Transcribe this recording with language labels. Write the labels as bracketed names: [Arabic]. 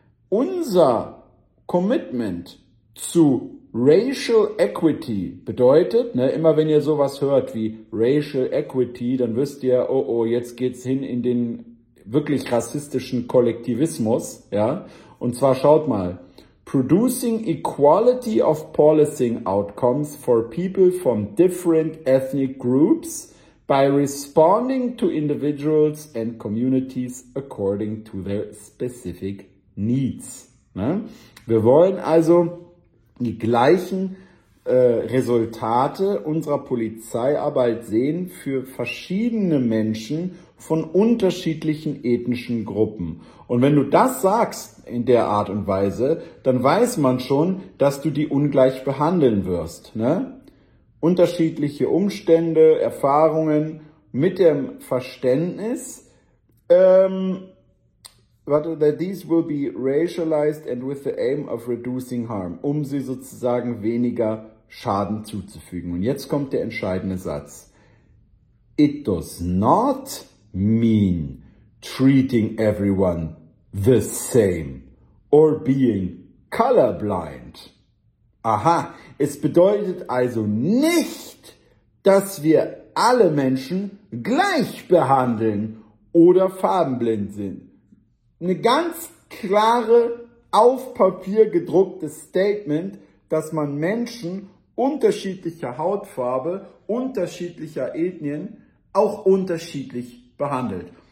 [German] Unser Commitment zu Racial Equity bedeutet, ne, immer wenn ihr sowas hört wie Racial Equity, dann wisst ihr, oh, jetzt geht's hin in den wirklich rassistischen Kollektivismus, ja. Und zwar schaut mal, [English] producing equality of policy outcomes for people from different ethnic groups by responding to individuals and communities according to their specific needs. [German] Ne? Wir wollen also die gleichen Resultate unserer Polizeiarbeit sehen für verschiedene Menschen von unterschiedlichen ethnischen Gruppen. Und wenn du das sagst in der Art und Weise, dann weiß man schon, dass du die ungleich behandeln wirst, ne? Unterschiedliche Umstände, Erfahrungen mit dem Verständnis, [English] that these will be racialized and with the aim of reducing harm, [German] um sie sozusagen weniger Schaden zuzufügen. Und jetzt kommt der entscheidende Satz. [English] It does not mean treating everyone the same or being colorblind. [German] Aha, es bedeutet also nicht, dass wir alle Menschen gleich behandeln oder farbenblind sind. Eine ganz klare, auf Papier gedrucktes Statement, dass man Menschen unterschiedlicher Hautfarbe, unterschiedlicher Ethnien auch unterschiedlich behandelt.